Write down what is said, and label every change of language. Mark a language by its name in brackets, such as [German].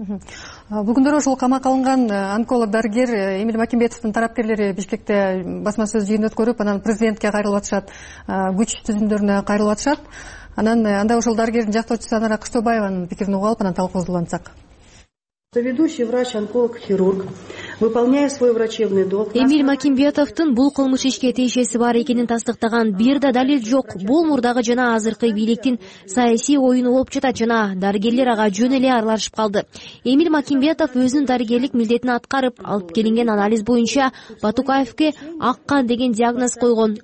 [Kyrgyz] Бүгүндөрү ушул камакка алынган онколог дарыгер Эмиль Макимбетовдун тарапкерлери Бишкекте басма сөз жыйын өткөрүп, анан президентке кайрылып атышат, күч түзүмдөрүнө кайрылып атышат. Анан анда ошол дарыгердин жактоочусу Анара Кыштообаеванын пикирин угуп алып, анан талкуулансак. [Russian] Ведущий врач, онколог, хирург, выполняя свой врачебный долг. [Kyrgyz] Эмиль Макимбетовдун бул кылмыш ишке тиешеси бар экенин тастыктаган бир да далил жок. Бул мурдагы жана азыркы бийликтин саясий оюну болуп жатат жана дарыгерлер ага жөн эле аралашып калды. Эмиль Макимбетов өзүнүн дарыгерлик милдетин аткарып, алып келинген анализ боюнча Батукаевке ак кан деген диагноз койгон.